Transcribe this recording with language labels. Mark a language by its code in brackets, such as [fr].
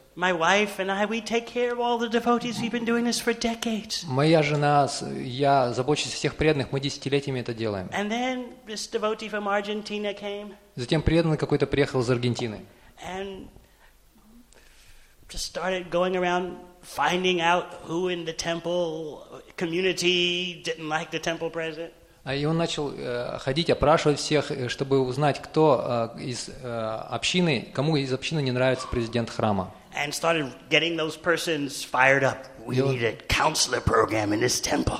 [en] My wife and I, we take care of all the devotees. We've been doing this for decades. [ru] Моя жена, я забочусь о всех преданных. Мы десятилетиями это делаем. [en] And then this devotee from Argentina came. [ru] Затем преданный какой-то приехал из Аргентины. [en] And just started going around finding out who in the temple community didn't like the temple president. [ru] И он начал ходить, опрашивать всех, чтобы узнать, кто из общины, кому из общины не нравится президент храма. [en] And started getting those persons fired up. We need a counselor program in this temple.